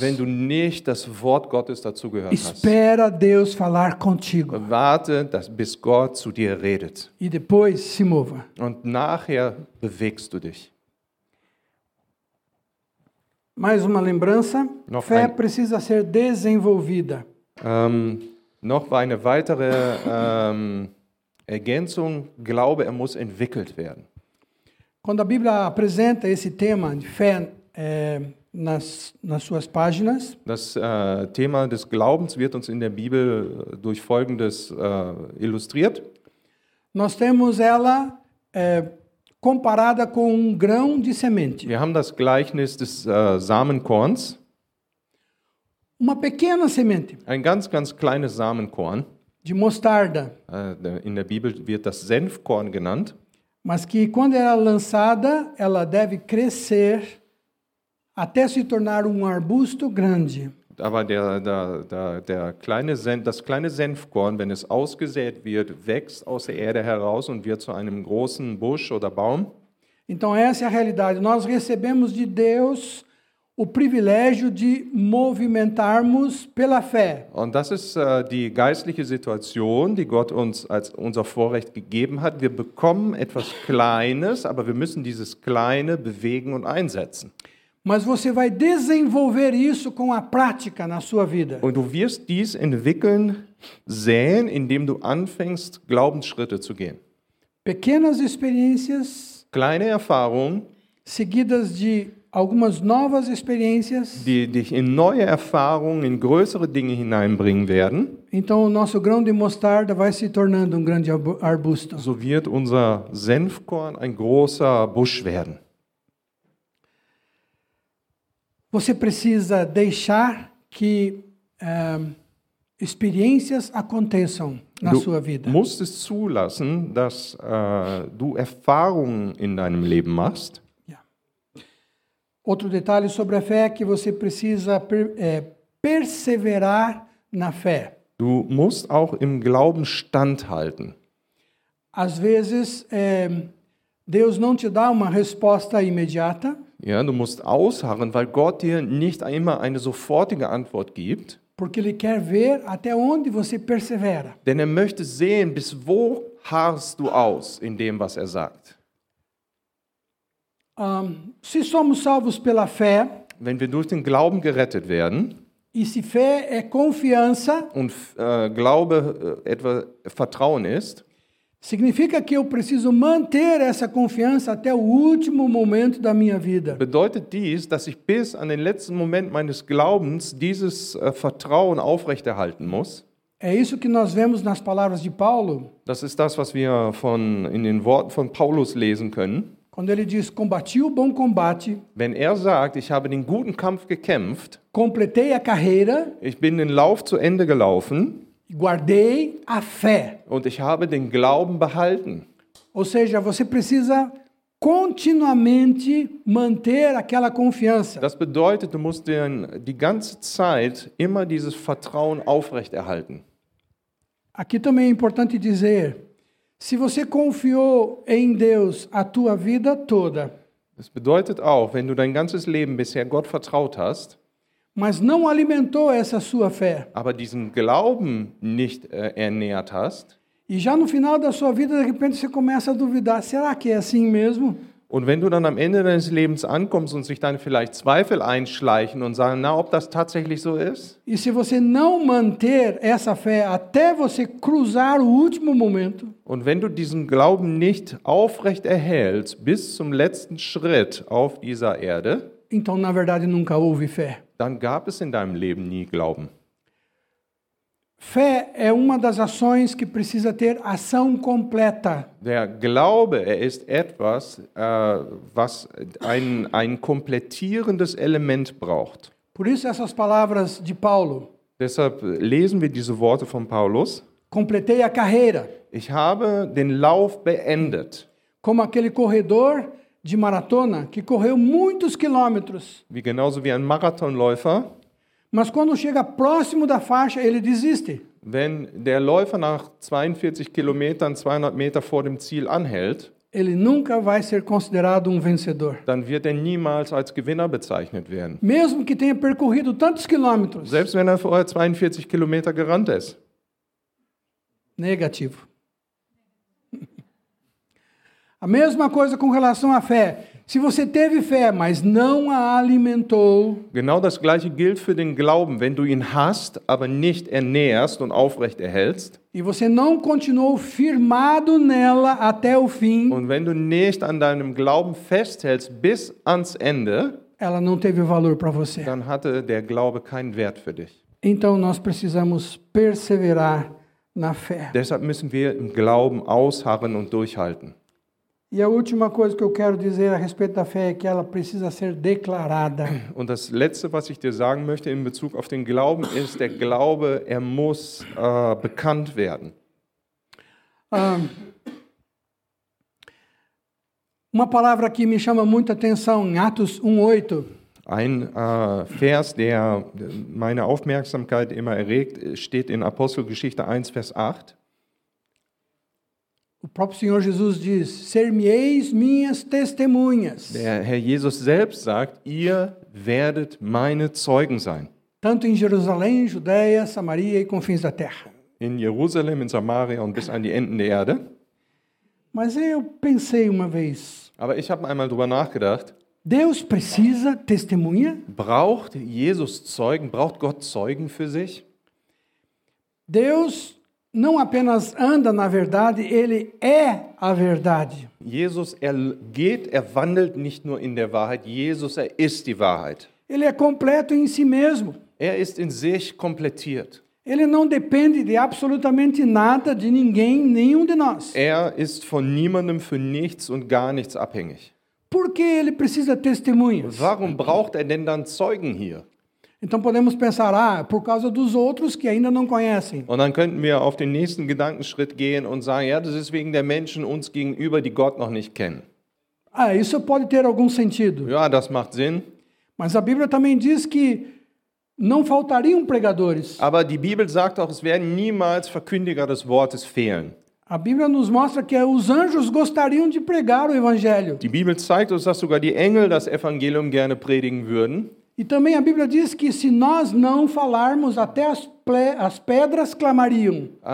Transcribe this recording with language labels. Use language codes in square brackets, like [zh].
[de] Wenn du nicht das Wort Gottes dazu gehört hast. [pt] Espera Deus falar contigo. [de] Warte, bis Gott zu dir redet. [pt] E depois se mova. [de] Und nachher bewegst du dich. [pt] Mais uma lembrança. [de] Noch [pt] fé [de] ein... [pt] precisa ser desenvolvida. [de] Noch eine weitere Ergänzung, Glaube, er muss entwickelt werden. [pt] Quando a Bíblia apresenta esse tema de fé nas suas páginas, [de] das Thema des Glaubens wird uns in der Bibel durch Folgendes illustriert. [pt] Nós temos ela comparada com um grão de semente. [de] Wir haben das Gleichnis des Samenkorns. [pt] Uma pequena semente. [de] Ein ganz, ganz kleines Samenkorn. [pt] De mostarda. [de] In der Bibel wird das Senfkorn genannt. [pt] Mas que quando ela é lançada, ela deve crescer até se tornar um arbusto grande. [de] Aber das kleine Senfkorn, wenn es ausgesät wird, wächst aus der Erde heraus und wird zu einem großen Busch oder Baum. [pt] Então essa é a realidade. Nós recebemos de Deus o privilégio de movimentarmos pela fé. [de] Und das ist die geistliche Situation, die Gott uns als unser Vorrecht gegeben hat. Wir bekommen etwas Kleines, aber wir müssen dieses Kleine bewegen und einsetzen. [pt] Mas você vai desenvolver isso com a prática na sua vida. [de] Und du wirst dies entwickeln sehen, indem du anfängst, Glaubensschritte zu gehen. [pt] Pequenas experiências, [de] kleine Erfahrungen, [pt] seguidas de algumas novas experiências, [de] die dich in neue Erfahrungen, in größere Dinge hineinbringen werden. [pt] Então o nosso grão de mostarda vai se tornando um grande arbusto. [de] So wird unser Senfkorn ein großer Busch werden. [pt] Você precisa deixar que experiências aconteçam na sua vida. [de] Du musst es zulassen, dass du Erfahrungen in deinem Leben machst. [pt] Outro detalhe sobre a fé é que você precisa perseverar na fé. [de] Du musst auch im Glauben standhalten. [pt] Às vezes, Deus não te dá uma resposta imediata. [de] Ja, du musst ausharren, weil Gott dir nicht immer eine sofortige Antwort gibt. [pt] Porque ele quer ver até onde você persevera. [de] Denn er möchte sehen, bis wo harrst du aus in dem, was er sagt. [pt] Se somos salvos pela fé, [de] wenn wir durch den Glauben gerettet werden, [pt] e se fé é confiança, [de] und Glaube etwa Vertrauen ist, [pt] significa que eu preciso manter essa confiança até o último momento da minha vida. [de] Bedeutet dies, dass ich bis an den letzten Moment meines Glaubens dieses Vertrauen aufrechterhalten muss? [pt] É isso que nós vemos nas palavras de Paulo? [de] Das ist das, was wir von in den Worten von Paulus lesen können. [pt] Quando ele diz combati o bom combate, [de] wenn er sagt, ich habe den guten Kampf gekämpft, [pt] completei a carreira, [de] ich bin den Lauf zu Ende gelaufen, [pt] guardei a fé. [de] Und ich habe den Glauben behalten. [pt] Ou seja, você precisa continuamente manter aquela confiança. [de] Das bedeutet, du musst die ganze Zeit immer dieses Vertrauen aufrechterhalten. [pt] Aqui também é importante dizer, se você confiou em Deus a tua vida toda. [de] Das bedeutet auch, wenn du dein ganzes Leben bisher Gott vertraut hast, [pt] mas não alimentou essa sua fé. [de] Aber diesen Glauben nicht ernährt hast. [pt] E já no final da sua vida, de repente você começa a duvidar, será que é assim mesmo? [de] Und wenn du dann am Ende deines Lebens ankommst und sich dann vielleicht Zweifel einschleichen und sagen, na, ob das tatsächlich so ist? [pt] E se você não manter essa fé até você cruzar o último momento? [de] Und wenn du diesen Glauben nicht aufrecht erhältst bis zum letzten Schritt auf dieser Erde? [pt] Então na verdade nunca houve fé. [de] Dann gab es in deinem Leben nie Glauben. [pt] Fé é uma das ações que precisa ter ação completa. [de] Der Glaube, er ist etwas, was ein komplettierendes Element braucht. [pt] Por isso essas palavras de Paulo. [de] Deshalb lesen wir diese Worte von Paulus. [pt] Completei a carreira. [de] Ich habe den Lauf beendet. [pt] Como aquele corredor de maratona que correu muitos quilômetros. [de] Wie genauso wie ein Marathonläufer. [pt] Mas quando chega próximo da faixa, ele desiste. [de] Wenn der Läufer nach 42 Kilometern 200 Meter vor dem Ziel anhält, [pt] ele nunca vai ser considerado vencedor. [de] Dann wird niemals als Gewinner bezeichnet werden. [pt] Mesmo que tenha percorrido tantos quilômetros. [de] Selbst wenn er vorher 42 Kilometer gerannt ist. [pt] Negativo. A mesma coisa com relação à fé. Se você teve fé, mas não a alimentou. [de] Genau das gleiche gilt für den Glauben, wenn du ihn hast, aber nicht ernährst und aufrecht erhältst. [pt] E você não continuou firmado nela até o fim. [de] Und wenn du nicht an deinem Glauben festhältst bis ans Ende. [pt] Ela não teve valor para você. [de] Dann hatte der Glaube keinen Wert für dich. [pt] Então nós precisamos perseverar na fé. [de] Deshalb müssen wir im Glauben ausharren und durchhalten. [pt] E a última coisa que eu quero dizer a respeito da fé é que ela precisa ser declarada. [de] Und das letzte, was ich dir sagen möchte in Bezug auf den Glauben, ist der Glaube, muss bekannt werden. [pt] Uma palavra que me chama muita atenção em Atos 1:8. [de] Ein Vers, der meine Aufmerksamkeit immer erregt, steht in Apostelgeschichte 1, Vers 8. [pt] O próprio Senhor Jesus diz: "Ser-me-eis minhas testemunhas." [de] Der Herr Jesus selbst sagt: "Ihr werdet meine Zeugen sein." [pt] Tanto em Jerusalém, Judeia, Samaria e confins da terra. [de] In Jerusalem, in Samaria und bis an die Enden der Erde. [pt] Mas eu pensei uma vez. [de] Aber ich habe einmal drüber nachgedacht. [pt] Deus precisa testemunha? [de] Braucht Jesus Zeugen? Braucht Gott Zeugen für sich? [pt] Deus não apenas anda na verdade, ele é a verdade. [de] Jesus geht, wandelt nicht nur in der Wahrheit, Jesus ist die Wahrheit. [pt] Ele é completo em si mesmo. [de] Ist in sich komplettiert. [pt] Ele não depende de absolutamente nada, de ninguém, nenhum de nós. [de] Ist von niemandem für nichts und gar nichts abhängig. [pt] Por que ele precisa testemunhas? [de] Warum braucht denn dann Zeugen hier? [pt] Então podemos pensar, por causa dos outros que ainda não conhecem. [de] Und dann könnten wir auf den nächsten Gedankenschritt gehen und sagen, das ist wegen der Menschen uns gegenüber, die Gott noch nicht kennen. [pt] Isso pode ter algum sentido. [de] Ja, das macht Sinn. [pt] Mas a Bíblia também diz que não faltariam pregadores. [de] Aber die Bibel sagt auch, es werden niemals Verkündiger des Wortes fehlen. [pt] A Bíblia nos mostra que os anjos gostariam de pregar o evangelho. [de] Die Bibel zeigt uns, dass sogar die Engel das Evangelium gerne predigen würden. [pt] E também a Bíblia diz que se nós não falarmos, até as pedras clamariam.